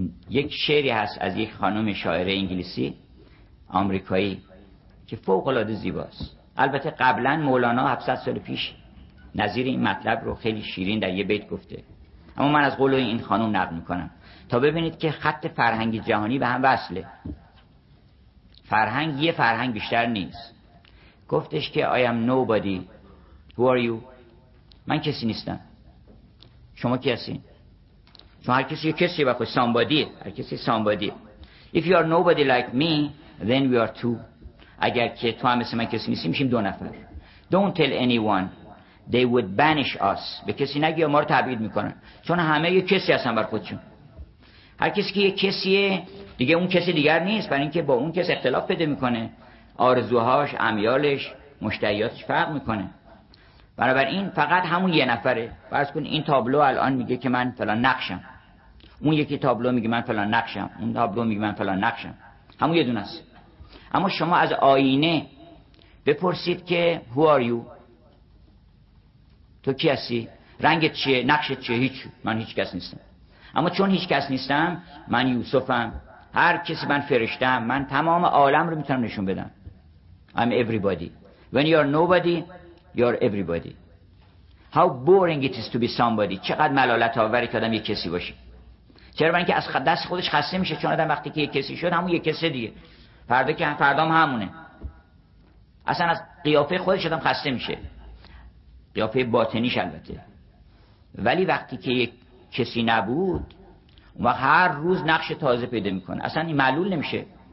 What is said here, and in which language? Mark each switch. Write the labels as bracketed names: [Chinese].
[Persian] یک شعری هست از یک خانم شاعره انگلیسی آمریکایی که فوق‌العاده زیباست. البته قبلا مولانا 700 سال پیش نظیر این مطلب رو خیلی شیرین در یه بیت گفته، اما من از قول این خانم نقل میکنم تا ببینید که خط فرهنگ جهانی به هم وصله. فرهنگ یه فرهنگ بیشتر نیست. گفتش که [English] I am nobody. Who are you? [Persian] من کسی نیستم. شما کی هستین؟ شما هر کسی یه کسیه با خود. Somebody. هر کسی somebody. [English] If you are nobody like me, then we are two. [Persian] اگر که تو هم مثل من کسی نیستی میشیم دو نفر. [English] Don't tell anyone. They would banish us. [Persian] به کسی نگی ما رو تبعید میکنن. چون همه یه کسی هستن بر خودشون. هر کسی که یه کسیه دیگه اون کسی دیگر نیست، برای اینکه با اون کس اختلاف پیدا میکنه، آرزوهاش، امیالش، مشتهیاتش فرق میکنه. بنابراین فقط همون یه نفره. فرض کن این تابلو الان میگه که من فلان نقشم، اون یکی تابلو میگه من فلان نقشم، اون تابلو میگه من فلان نقشم، همون یه دونه است. اما شما از آینه بپرسید که [English] Who are you؟ [Persian] تو کی هستی؟ رنگت چیه؟ نقشت چیه؟ هیچ، من هیچ کس نیستم. اما چون هیچ کس نیستم، من یوسفم، هر کسی من فرشتم، من تمام عالم رو میتونم نشون بدم. [English] I'm everybody. When you are nobody, you are everybody. How boring it is to be somebody. [Persian] چقدر ملالت آوری که آدم یک کسی باشه. چرا؟ برای اینکه از دست خودش خسته میشه. چون آدم وقتی که یک کسی شد همون یک کسی دیگه. فردا که فردا هم همونه. اصلا از قیافه خودش آدم خسته میشه. قیافه باطنیش البته. ولی وقتی که یک کسی نبود، و هر روز نقش تازه پیدا میکنه، اصلا این معلول نمیشه.